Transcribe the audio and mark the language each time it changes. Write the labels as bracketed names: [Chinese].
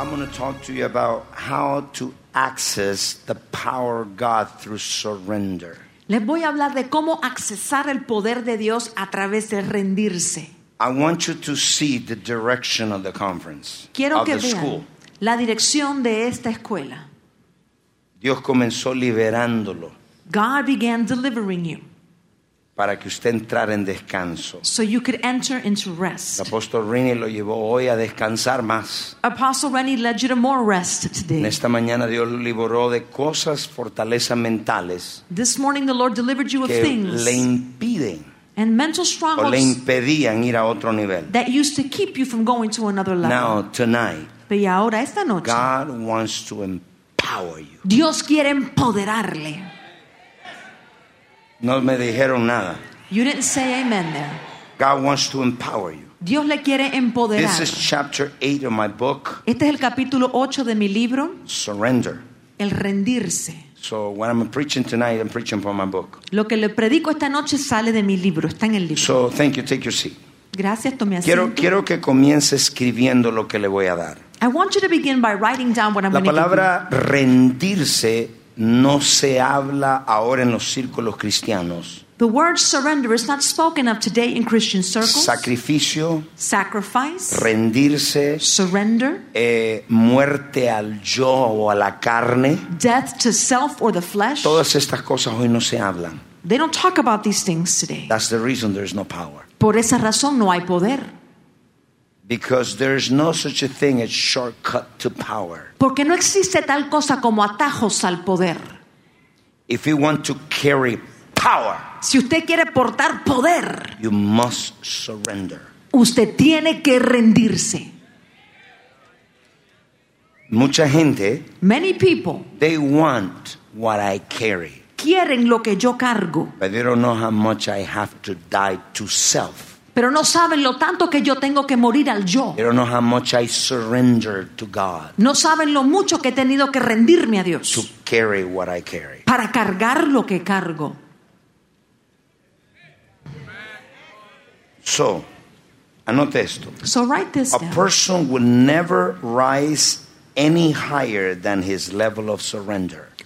[English] Talk to you about how to access the power of God through surrender. [Spanish] Les voy a hablar de cómo accesar el poder de Dios a través de rendirse. [English] I want you to see the direction of the conference. [Spanish] Quiero [English] of [Spanish] que [English] the [Spanish] vean [English] school. [Spanish] La dirección de esta escuela. Dios comenzó liberándolo. [English] God began delivering you. [Spanish] Para que usted entrara en descanso. [English] So you could enter into rest. [Spanish] El apóstol Rennie lo llevó hoy a descansar más. [English] Apostle Rennie led you to more rest today. [Spanish] En esta mañana Dios lo liberó de cosas, fortalezas mentales. [English] This morning the Lord delivered you of things. [Spanish] Que le impiden. [English] And mental strongholds. [Spanish] O le impedían ir a otro nivel. [English] That used to keep you from going to another level. Now tonight. [Spanish] Pero ahora esta noche. [English] God wants to empower you. [Spanish] Dios quiere empoderarle. No me dijeron nada. [English] You didn't say amen there. God wants to empower you. [Spanish] Dios le quiere empoderar. [English] This is chapter 8 of my book. [Spanish] Este es el capítulo 8 de mi libro. [English] Surrender. [Spanish] El rendirse. [English] So when I'm preaching tonight, I'm preaching from my book. [Spanish] Lo que le predico esta noche sale de mi libro, está en el libro. [English] So thank you, take your seat. [Spanish] Gracias, tome asiento. Quiero que comience escribiendo lo que le voy a dar. [English] I want you to begin by writing down what I'm going to give you. [Spanish] La palabra rendirse no se habla ahora en los círculos cristianos. [English] The word surrender is not spoken of today in Christian circles. [Spanish] Sacrificio. [English] Sacrifice. [Spanish] Rendirse. [English] Surrender. [Spanish] Muerte al yo o a la carne. [English] Death to self or the flesh. [Spanish] Todas estas cosas hoy no se hablan. [English] They don't talk about these things today. That's the reason there's no power. [Spanish] Por esa razón no hay poder. [English] Because there's no such a thing as shortcut to power. [Spanish] Porque no existe tal cosa como atajos al poder. [English] If you want to carry power, [Spanish] si usted quiere portar poder, [English] you must surrender. [Spanish] Usted tiene que rendirse. Mucha gente, [English] many people, they want what I carry. [Spanish] Quieren lo que yo cargo. [English] But they don't know how much I have to die to self. [Spanish] Pero no saben lo tanto que yo tengo que morir al yo. [English] They don't know how much I surrender to God. [Spanish] No saben lo mucho que he tenido que rendirme a Dios. [English] To carry what I carry. [Spanish] Para cargar lo que cargo. So, anote esto. [English] So write this down. A person will never rise any higher than his level of surrender.